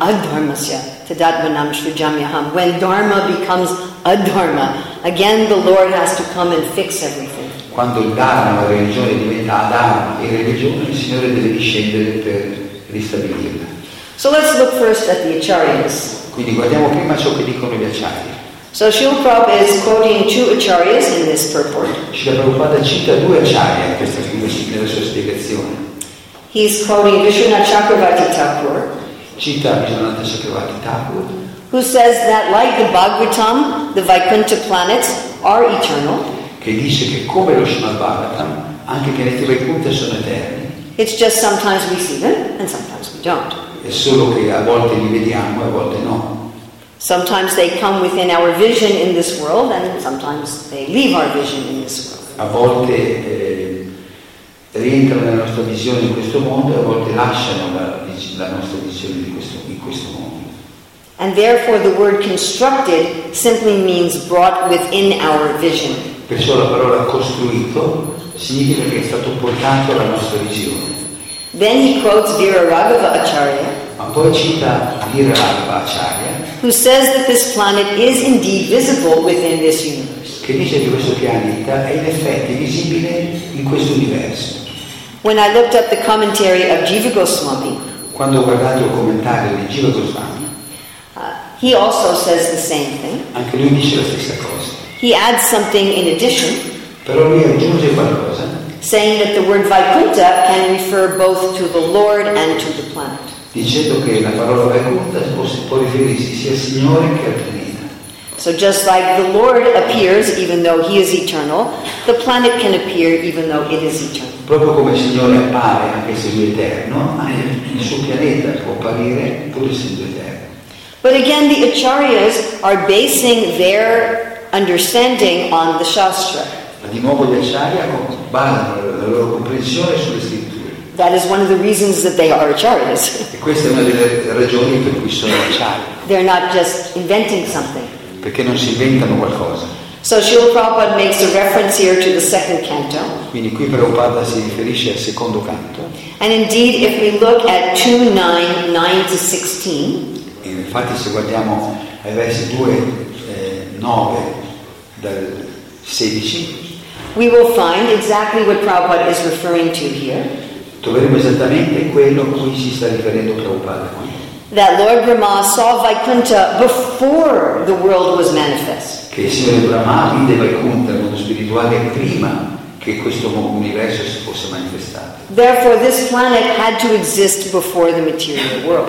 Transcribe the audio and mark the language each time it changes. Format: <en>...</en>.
<en>When dharma becomes adharma, again the Lord has to come and fix everything.</en> <it>Quando il dharma, la religione, diventa adharma, e religione, il Signore deve discendere per ristabilirla.</it> <en>So let's look first at the acharyas.</en> <it>Quindi guardiamo prima ciò che dicono gli acharya.</it> <en>So Srila Prabhupada is quoting two acharyas in this purport.</en> <it>Srila Prabhupada cita due acharya in questa nella sua spiegazione.</it> <en>He's quoting Vishwanatha Chakravarti Thakur.</en> <it>Cita Vishwanatha Chakravarti Thakur,</it> <en>who says that like the Bhagavatam, the Vaikuntha planets are eternal.</en> <it>Che dice che come lo Srimad Bhagavatam, anche i pianeti Vaikuntha sono eterni.</it> <en>It's just sometimes we see them and sometimes we don't.</en> <it>È solo che a volte li vediamo e a volte no.</it> <en>Sometimes they come within our vision in this world and sometimes they leave our vision in this world.</en> <it>A volte rientrano nella nostra visione in questo mondo e a volte lasciano la nostra visione in questo mondo.</it> <en>And therefore the word constructed simply means brought within our vision.</en> <it>Perciò la parola costruito significa che è stato portato alla nostra visione.</it> <en>Then he quotes Viraraghava Acharya.</en> <it>Ma poi cita Viraraghava Acharya,</it> <en>who says that this planet is indeed visible within this universe.</en> <it>Che dice che questo pianeta è in effetti visibile in questo universo.</it> <en>When I looked up the commentary of Jiva Goswami,</en> <it>quando ho guardato il commentario di Jiva Goswami,</it> <en>he also says the same thing.</en> <it>Anche lui dice la stessa cosa.</it> <en>He adds something in addition,</en> <it>però lui aggiunge qualcosa,</it> <en>saying that the word Vaikuntha can refer both to the Lord and to the planet.</en> <it>Dicendo che la parola Vaikuntha può riferirsi sia al Signore che al pianeta.</it> <en>So just like the Lord appears even though he is eternal, the planet can appear even though it is eternal.</en> <it>Proprio come il Signore appare anche se lui è eterno, il suo pianeta può apparire pur essendo eterno.</it> <en>But again, the acharyas are basing their understanding on the Shastra.</en> <it>Ma di nuovo gli acharya basano la loro comprensione sulle scritture.</it> <en>That is one of the reasons that they are acharyas.</en> <it>E questa è una delle ragioni per cui sono acharya.</it> <en>They're not just inventing something.</en> <it>Perché non si inventano qualcosa.</it> <en>So Srila Prabhupada makes a reference here to the second canto.</en> <it>Quindi qui Prabhupada si riferisce al secondo canto.</it> <en>And indeed, if we look at 2:9-16.</en> <it>E infatti se guardiamo ai versi 2:9 dal 16.</it> <en>We will find exactly what Prabhupada is referring to here.</en> <it>Troveremo esattamente quello a cui si sta riferendo Prabhupada qui.</it> <en>That Lord Brahma saw Vaikuntha before the world was manifest.</en> <it>Che il Signore Brahma vide Vaikuntha nel mondo spirituale prima che questo universo si fosse manifestato.</it> <en>Therefore, this planet had to exist before the material world.</en>